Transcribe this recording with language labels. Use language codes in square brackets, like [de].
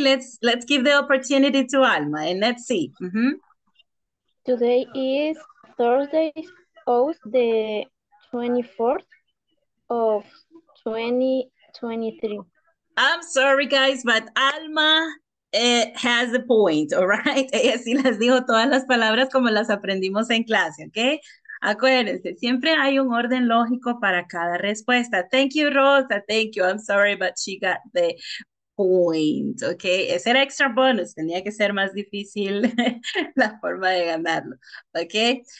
[en] Let's give the opportunity to Alma and let's see. Today is Thursday of the 24th of 2023. I'm sorry, guys, but Alma has a point, all right? [es] Ella sí las dijo todas las palabras como las aprendimos en clase, okay? Acuérdense, siempre hay un orden lógico para cada respuesta. [en] Thank you, Rosa. Thank you. I'm sorry, but she got the point, okay? [es] Ese era [en] extra bonus. [es] Tenía que ser más difícil la forma de ganarlo, okay?